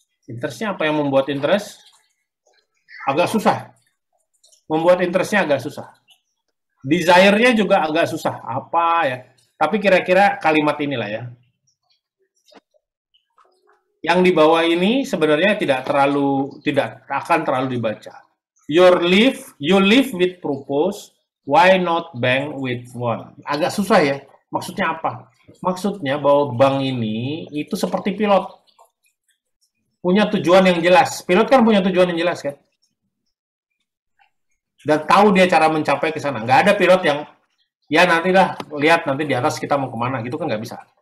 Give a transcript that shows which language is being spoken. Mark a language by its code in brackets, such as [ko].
[id] Interest-nya apa yang membuat interest? Agak susah. Membuat interest-nya agak susah. Desire-nya juga agak susah. Apa ya? Tapi kira-kira kalimat inilah ya. Yang di bawah ini sebenarnya tidak akan terlalu dibaca. [en] You live with purpose, why not bank with one? [id] Agak susah ya. Maksudnya apa? Maksudnya bahwa bank ini itu seperti pilot. Punya tujuan yang jelas. Pilot kan punya tujuan yang jelas kan? Dan tahu dia cara mencapai ke sana. Enggak ada pilot yang ya nantilah lihat nanti di atas kita mau kemana. Gitu kan enggak bisa.